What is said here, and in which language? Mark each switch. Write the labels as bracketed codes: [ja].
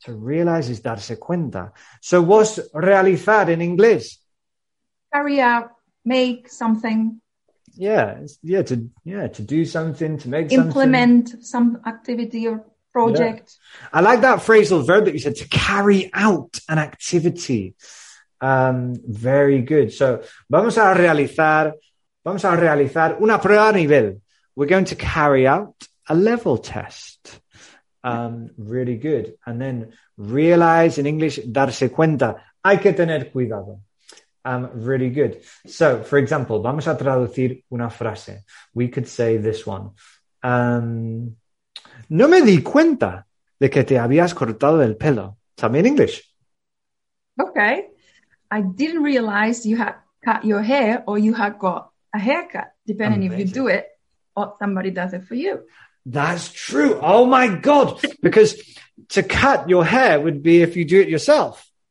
[en] To realize is [es] darse cuenta. [en] So what's realizar in English? Carry out, make something. To do something, to make something. Implement some activity or project. Yeah. I like that phrasal verb that you said, to carry out an activity. Very good. [es] So vamos a realizar una prueba a nivel. [en] We're going to carry out a level test. Really good. And then realize in English, [es] darse cuenta. Hay que tener cuidado. [en] Really good. So, for example, [es] vamos a traducir una frase. [en] We could say this one. [es] No me di cuenta de que te habías cortado el pelo. [en] Tell me in English. Okay. I didn't realize you had cut your hair or you had got a haircut, depending Amazing. If you do it or somebody does it for you. That's true. Oh, my God. Because to cut your hair would be if you do it yourself.